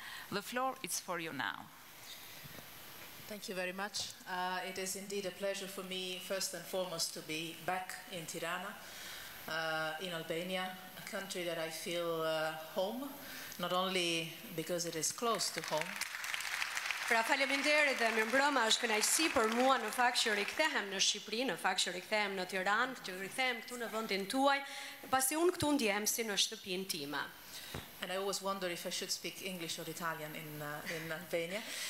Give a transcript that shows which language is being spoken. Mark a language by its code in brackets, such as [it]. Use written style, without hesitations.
[en] The floor is for you now. Thank you very much. It is indeed a pleasure for me, first and foremost, to be back in Tirana, in Albania, a country that I feel home, not only because it is close to home. [sq] Pra faleminderit dhe mirëmbrëma, është kënaqësi për mua në fakt që rikthehem në Shqipëri, në fakt që rikthehem në Tiranë, që rikthehem këtu në vendin tuaj, pasi unë këtu ndjehem si në shtëpinë time. [en] And I always wonder if I should speak English or Italian in Albania.